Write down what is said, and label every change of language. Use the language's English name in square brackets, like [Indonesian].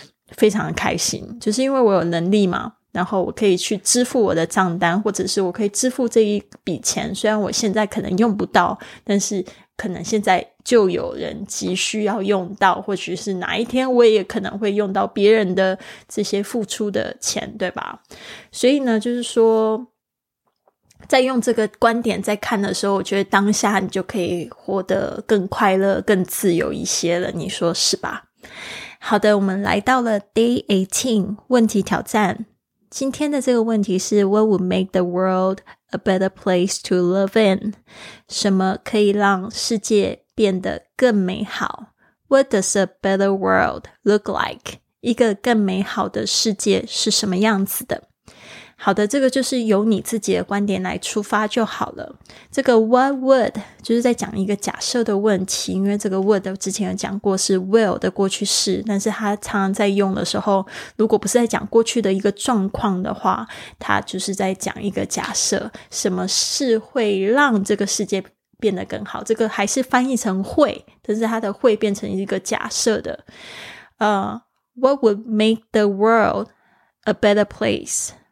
[Chinese] 非常的开心，就是因为我有能力嘛，然后我可以去支付我的账单，或者是我可以支付这一笔钱，虽然我现在可能用不到，但是可能现在就有人急需要用到，或许是哪一天我也可能会用到别人的这些付出的钱对吧。所以呢就是说在用这个观点在看的时候，我觉得当下你就可以活得更快乐更自由一些了，你说是吧。好的，我们来到了 Day 18 问题挑战。今天的这个问题是 [English] What would make the world a better place to live in? [Chinese] 什么可以让世界变得更美好？ [English] What does a better world look like? [Chinese] 一个更美好的世界是什么样子的？好的，这个就是由你自己的观点来出发就好了。这个 what would 就是在讲一个假设的问题，因为这个 would 之前有讲过是 will 的过去式，但是它常常在用的时候，如果不是在讲过去的一个状况的话，它就是在讲一个假设，什么事会让这个世界变得更好。这个还是翻译成会，但是它的会变成一个假设的。 [English] What would make the world a better place?